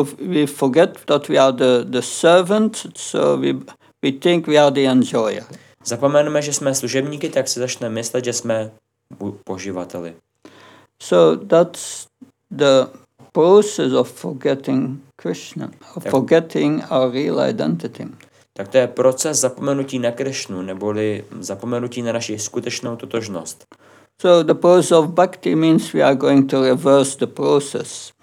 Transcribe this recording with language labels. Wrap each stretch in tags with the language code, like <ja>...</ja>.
<en>We forget that we are the servant, so we think we are the enjoyer.</en> <cs>Zapomeneme, že jsme služebníky, tak si začne myslet, že jsme poživateli.</cs> <en>So that's the process of forgetting Krishna, of forgetting our real identity.</en> <cs>Tak to je proces zapomenutí na Krishnu, neboli zapomenutí na naši skutečnou totožnost.</cs> <en>So the process of bhakti means we are going to reverse the process.</en>